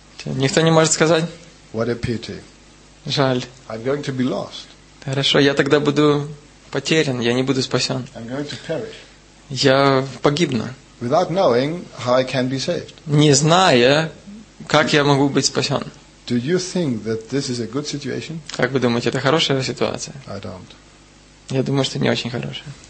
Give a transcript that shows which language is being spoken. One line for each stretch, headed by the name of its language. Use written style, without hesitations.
Russian: Никто не может сказать.
English: What a pity.
Russian: Жаль.
English: I'm going to be lost.
Russian: Хорошо, я тогда буду потерян, я не буду спасен.
English: I'm going to perish.
Russian: Я погибну.
English: Without knowing how I can be saved.
Russian: Не зная, как я могу быть спасен.
English: Do you think that this is a good situation?
Russian: Как вы думаете, это хорошая ситуация?
English: I don't.
Russian: Я думаю, что не очень хорошая.